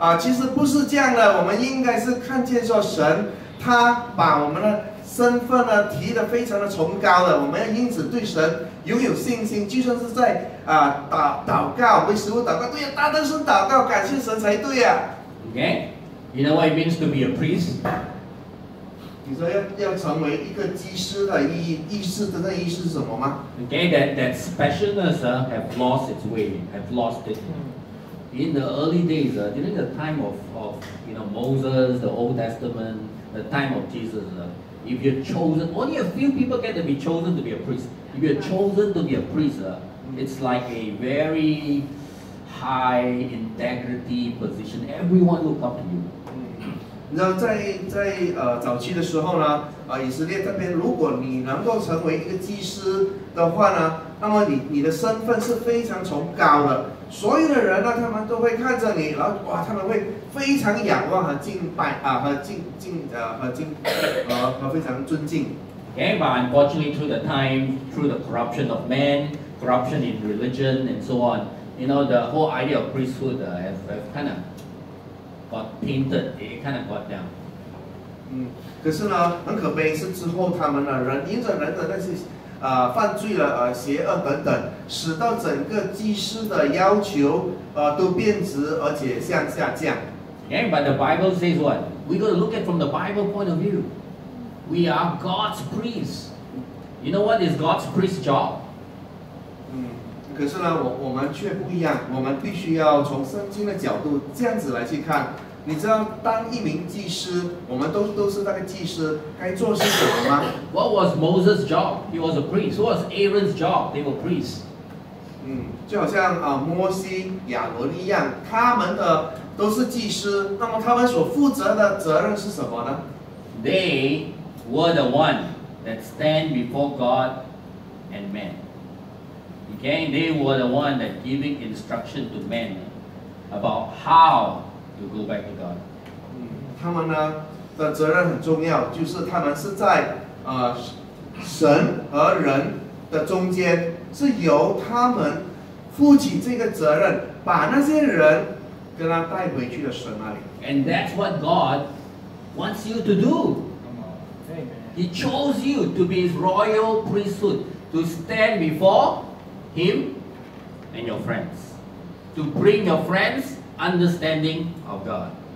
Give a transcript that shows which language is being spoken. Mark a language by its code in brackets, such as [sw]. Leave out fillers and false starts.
[zh] 其实不是这样的，我们应该是看见说神他把我们的身份呢提得非常的崇高的，我们要因此对神拥有信心，就算是在祷告为食物祷告，对呀，大声声祷告，感谢神才对呀。 [en] Okay, you know what it means to be a priest? [zh] 你说要成为一个祭司的意思的那意思是什么吗 [en] ？Okay, that specialness have lost its way, have lost it. In the early days, during the time of you know Moses, the Old Testament, the time of Jesus, if you're chosen, only a few people get to be chosen to be a priest. If you're chosen to be a priest, it's like a very high integrity position. Everyone look up to you. [zh] 你知道在早期的时候呢以色列这边，如果你能够成为一个祭司的话呢，那么你的身份是非常崇高的，所有的人呢他们都会看着你，然后哇他们会非常仰望和敬拜和非常尊敬。 [en] Okay, but unfortunately through the time, through the corruption of men, corruption in religion and so on, you know, the whole idea of priesthood have kind ofGot painted, it kind of got down. [zh] 可是呢，很可悲是之后他们呢，因着人的那些犯罪了邪恶等等，使到整个祭司的要求都贬值，而且向下降。 [en] Okay, but the Bible says what? We got to look at from the Bible point of view. We are God's priest. You know what is God's priest's job? [zh] 可是呢，我们却不一样，我们必须要从圣经的角度这样子来去看。你知道当一名祭司，我们都是那个祭司，该做是什么吗 [en] ？What was Moses' job? He was a priest. What was Aaron's job? They were priests. [zh] 就好像摩西、亚伦一样，他们的都是祭司。那么他们所负责的责任是什么呢 [en] ？They were the one that stand before God and man. Okay, they were the one that giving instruction to men about how.To go back to God. [zh] 他们呢的责任很重要，就是他们是在神和人的中间，是由他们负起这个责任，把那些人跟他带回去的神那里。 [en] And that's what God wants you to do. He chose you to be His royal priesthood, to stand before Him and your friends, to bring your friends understanding of God.